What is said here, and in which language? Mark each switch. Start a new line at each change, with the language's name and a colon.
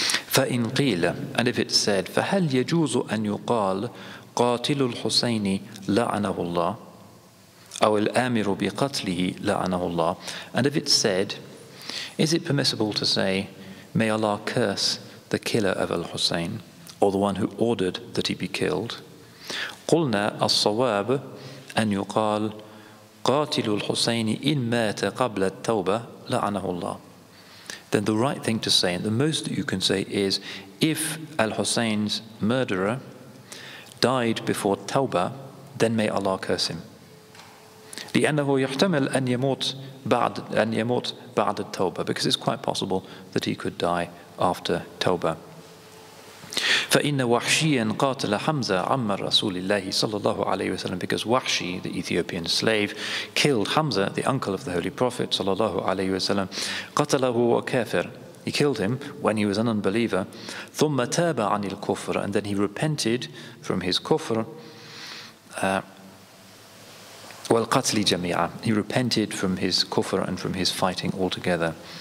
Arabic: فإن قيل,
English: and if it's said,
Arabic: فهل يجوز أن يقال قاتل الحسين لعنه الله
English: أو الآمر بقتله لعنه الله, and if it's said, is it permissible to say, may Allah curse the killer of al-Hussein, or the one who ordered that he be killed?
Arabic: قلنا الصواب أن يقال قاتل الحسين إن مات قبل التوبة لعنه الله.
English: Then the right thing to say, and the most that you can say, is if al-Hussein's murderer died before tawbah, then may Allah curse him.
Arabic: لأنه يحتمل أن يموت بعد التوبه,
English: because it's quite possible that he could die after tawbah.
Arabic: فإن وحشيا قاتل حمزة عم رسول الله صلى الله عليه وسلم,
English: because Wahshi, the Ethiopian slave, killed Hamza, the uncle of the Holy Prophet صلى الله عليه وسلم.
Arabic: قتله وكافر,
English: he killed him when he was an unbeliever.
Arabic: ثم تاب عن الكفر,
English: and then he repented from his كفر.
Arabic: والقتل جميعا,
English: he repented from his كفر and from his fighting altogether.